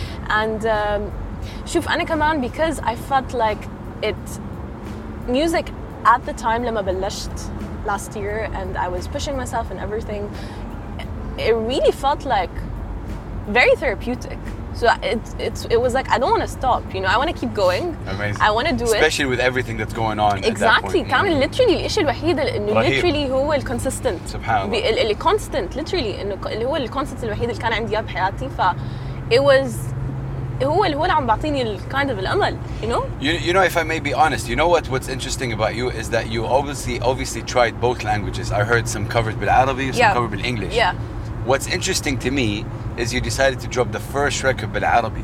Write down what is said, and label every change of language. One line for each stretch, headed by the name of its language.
English: And
Arabic: شوف أنا كمان,
English: because I felt like it, music at the time
Arabic: لما بلشت
English: last year and I was pushing myself and everything, it really felt like very therapeutic. So it was like, I don't want to stop, you know, I want to keep going. Amazing. I want to do especially it. Especially with everything that's going on. Exactly. At that point.
Arabic: كان literally الإشي الوحيد إنه literally هو الكونسيستنت. سبحان الله. اللي كونستنت, literally إنه هو الكونسيستنت الوحيد اللي كان عندي إياه بحياتي, فـ
English: it was
Arabic: هو اللي هو اللي عم بعطيني ال
English: kind of
Arabic: الأمل,
English: you know? You know, if I may be honest, you know what's interesting about you is that you obviously tried both languages. I heard some covered بالعربي, some yeah. covered بالإنجليش. Yeah. What's interesting to me is you decided to drop the first record in Arabic.